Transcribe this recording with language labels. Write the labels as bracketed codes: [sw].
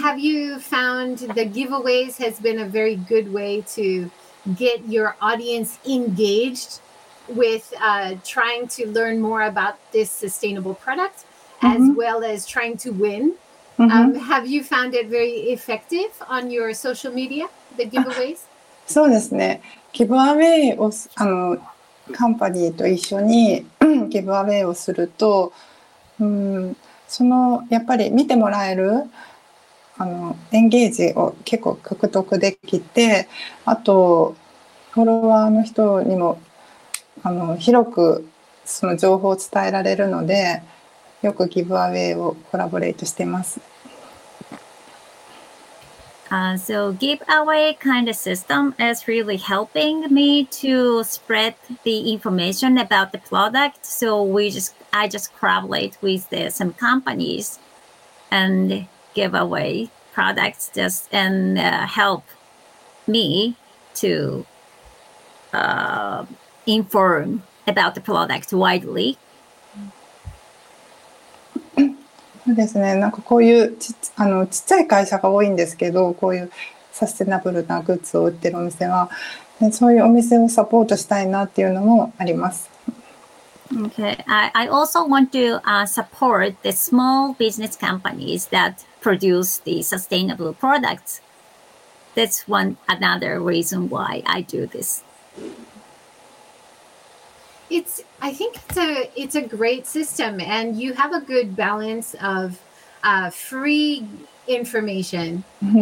[en] Have you found the giveaways has been a very good way to get your audience engaged with trying to learn more about this sustainable product, mm-hmm. as well as trying to win? Mm-hmm. Have you found it very effective on your social media, the giveaways? [ja] そうですね。ギブアウェイをカンパニーと一緒にギブアウェイをすると、そのやっぱり見てもらえるエンゲージを結構獲得できて、あとフォロワーの人にも広くその情報を伝えられるので、よくギブアウェイをコラボレートしてます。 [en] So giveaway kind of system is really helping me to spread the information about the product. So I just collaborate with some companies and give away products just and help me to inform about the product widely. [ja] そうですね。なんかこういうちっちゃい会社が多いんですけど、こういうサステナブルなグッズを売ってるお店は、そういうお店をサポートしたいなっていうのもあります。 [en] Okay, I also want to support the small business companies that produce the sustainable products. That's another reason why I do this. I think it's a great system, and you have a good balance of free information mm-hmm.